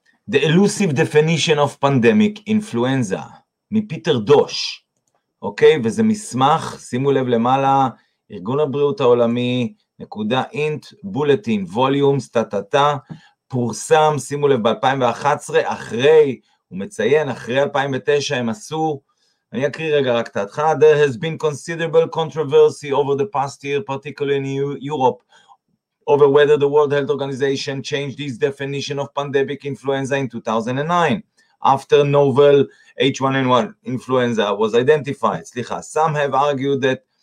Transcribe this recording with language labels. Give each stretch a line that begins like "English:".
English: The elusive definition of pandemic influenza, מפיטר דוש.
Hebrew: אוקיי, וזה מסמך, שימו לב למעלה, ארגון הבריאות העולמי, נקודה אינט, בולטין, ווליומס, טטטה, פורסם, שימו לב, ב-2011, אחרי, הוא מציין, אחרי 2009 הם עשו, אני אקריא רגע רק את ההתחלה.
English: There has been considerable controversy over the past year, particularly in Europe, over whether the World Health Organization changed its definition of pandemic influenza in 2009, after novel H1N1 influenza was identified.
Hebrew: סליחה,
English: some have argued that